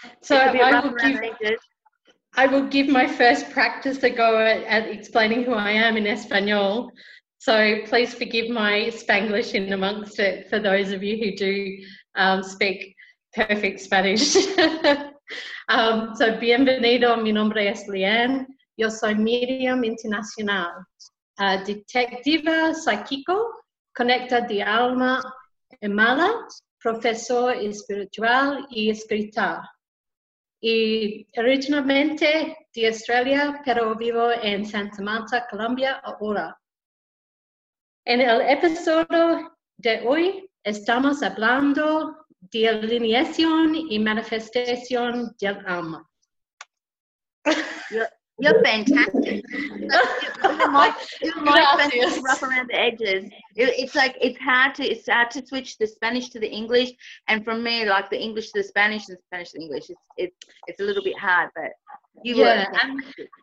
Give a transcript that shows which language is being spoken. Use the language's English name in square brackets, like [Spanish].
[English] I will give my first practice a go at explaining who I am in Espanol. So please forgive my Spanglish in amongst it for those of you who do speak perfect Spanish. [Spanish] So bienvenido, mi nombre es Leanne. Yo soy medium internacional, detectiva psíquico, conecta de alma emala, profesor espiritual y escritor. Y originalmente de Australia, pero vivo en Santa Marta, Colombia, ahora. En el episodio de hoy estamos hablando de alineación y manifestación del alma. [English] You're fantastic. your mind is rough around the edges. It's hard to switch the Spanish to the English, and from me, like the English to the Spanish and Spanish to the English, it's a little bit hard, but you were fantastic.